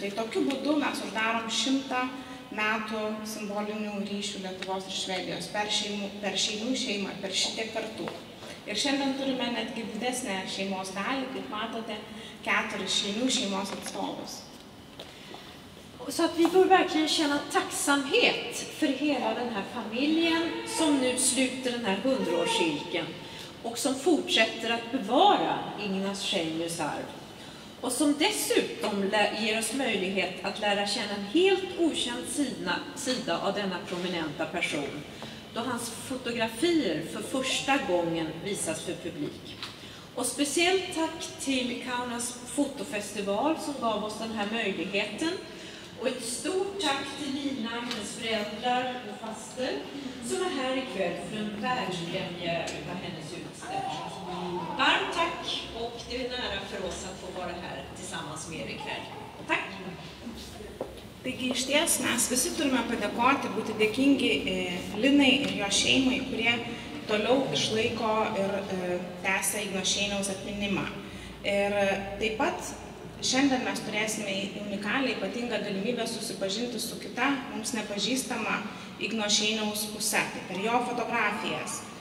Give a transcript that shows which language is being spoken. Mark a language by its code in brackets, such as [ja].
[lt] Tai tokiu būdu mes uždarom 100 metų simbolinių ryšių Lietuvos ir Švedijos per šeimų šeimą, per šitiek kartų. Ir šiandien turime netgi didesnę šeimos dalį, kaip matote, 4 šeimų šeimos atstovus. [sv] Så att vi får verkligen känna tacksamhet för hela den här familjen som nu sluter den här 100-årscirkeln och som fortsätter att bevara Ignas Šeinius arv. Och som dessutom ger oss möjlighet att lära känna en helt okänd sida av denna prominenta person då hans fotografier för första gången visas för publik. Och speciellt tack till Kaunas fotofestival som gav oss den här möjligheten. Och ett stort tack till Lina, hennes föräldrar och faster som är här ikväll för en världspremiär av hennes utställning. Varmt tack och det är nära för oss att få vara här tillsammans med er ikväll. Tack! [lt] Taigi iš ties mes visi turime padėkoti, būti dėkingi Linai ir jo šeimai, kurie toliau išlaiko ir tęsia Igno Šeiniaus atminimą. Ir taip pat šiandien mes turėsime unikalią ypatingą galimybę susipažinti su kita, mums nepažįstama Igno Šeiniaus puse, tai per jo fotografijas.